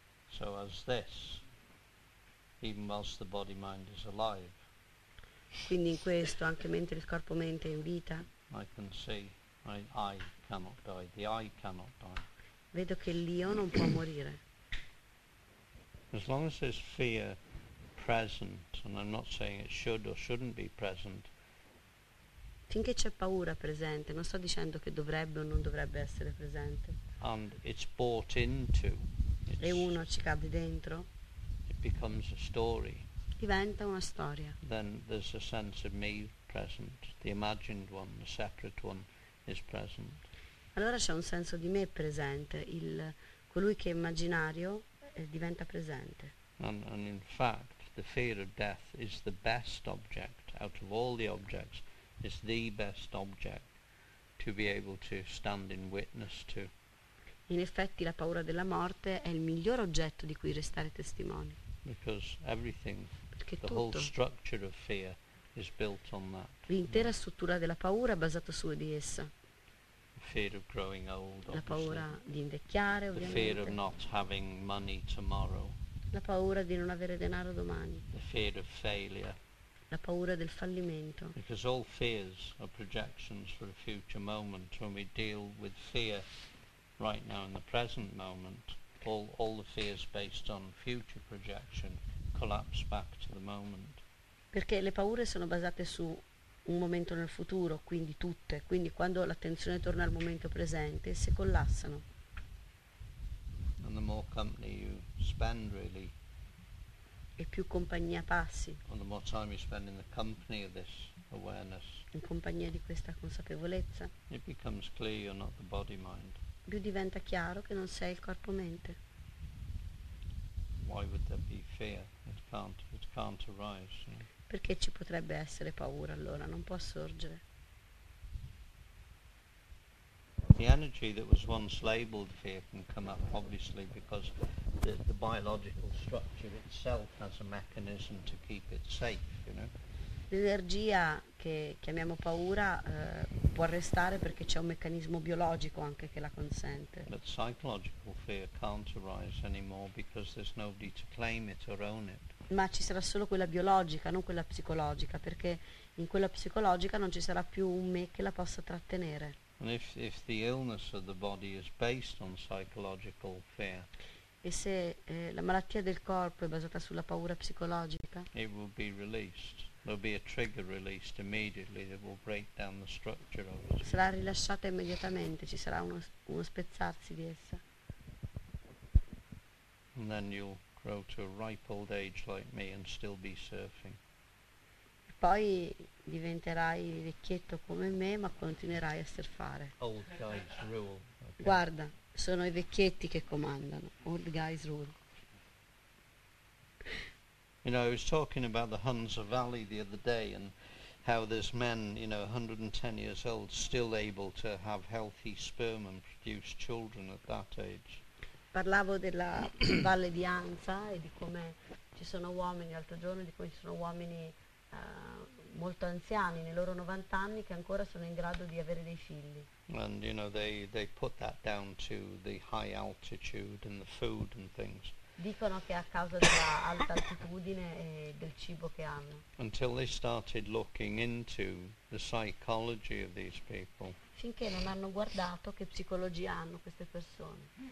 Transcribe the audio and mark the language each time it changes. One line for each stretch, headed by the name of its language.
English: So as this, even whilst the body mind is alive.
Italian: Quindi in questo, anche mentre il corpo mente è in vita.
English: I can see, I cannot die. The I cannot die.
Italian: Vedo che l'io non può morire.
English: As long as there's fear present, and I'm not saying it should or shouldn't be present.
Italian: Finché c'è paura presente, non sto dicendo che dovrebbe o non dovrebbe essere presente.
English: And it's bought into.
Italian: E uno ci cade dentro.
English: It becomes a story.
Italian: Diventa una storia.
English: Then there's a sense of me present, the imagined one, the separate one is present.
Italian: Allora c'è un senso di me presente, il colui che è immaginario diventa presente.
English: And in fact, the fear of death is the best object out of all the objects. It's the best object to be able to stand in witness to.
Italian: In effetti la paura della morte è il miglior oggetto di cui restare testimoni.
English: Because everything,
Italian: perché
English: the
Italian: tutto,
English: whole structure of fear is built on that.
Italian: L'intera struttura della paura è basata su di essa.
English: The fear of growing old,
Italian: la paura di invecchiare, ovviamente.
English: The fear of not having money tomorrow.
Italian: La paura di non avere denaro domani.
English: The fear of failure.
Italian: La paura del fallimento.
English: Because all fears are projections for a future moment. When we deal with fear right now in the present moment, all the fears based on future projection collapse back to the moment.
Italian: Perché le paure sono basate su un momento nel futuro, quindi tutte. Quindi quando l'attenzione torna al momento presente, si collassano.
English: And the more company you spend, really,
Italian: e più compagnia passi.
English: And the more time you spend in the company of this awareness.
Italian: In compagnia di questa consapevolezza.
English: It becomes clear you're not the body mind.
Italian: Più diventa chiaro che non sei il corpo mente.
English: Why would there be fear? It can't arise. You know?
Italian: Perché ci potrebbe essere paura allora? Non può sorgere.
English: The energy that was once labeled fear can come up, obviously, because the biological structure itself has a mechanism to keep it safe, you know.
Italian: L'energia che chiamiamo paura può restare perché c'è un meccanismo biologico anche che la consente.
English: But psychological fear can't arise anymore because there's nobody to claim it or own it.
Italian: Ma ci sarà solo quella biologica, non quella psicologica, perché in quella psicologica non ci sarà più un me che la possa trattenere.
English: And if the illness of the body is based on psychological fear.
Italian: E se la malattia del corpo è basata sulla paura psicologica,
English: it will be released. There'll be a trigger released immediately that will break down the structure of it.
Italian: Sarà rilasciata immediatamente, ci sarà uno spezzarsi di essa.
English: And then you'll grow to a ripe old age like me and still be surfing.
Italian: E poi diventerai vecchietto come me, ma continuerai a surfare.
English: Old guys rule. Okay.
Italian: Guarda, sono i vecchietti che comandano.
English: Old guys rule. You know, I was talking about the Hunza Valley the other day and how there's men, you know, 110 years old, still able to have healthy sperm and produce children at that age.
Italian: Parlavo della Valle di Hunza e di come ci sono uomini, l'altro giorno, di come ci sono uomini molto anziani, nei loro 90 anni, che ancora sono in grado di avere dei figli.
English: And, you know, they put that down to the high altitude and the food and things.
Italian: Dicono che a causa della alta altitudine e del cibo che hanno.
English: Until they started looking into the psychology of these people.
Italian: Finché non hanno guardato che psicologia hanno queste persone.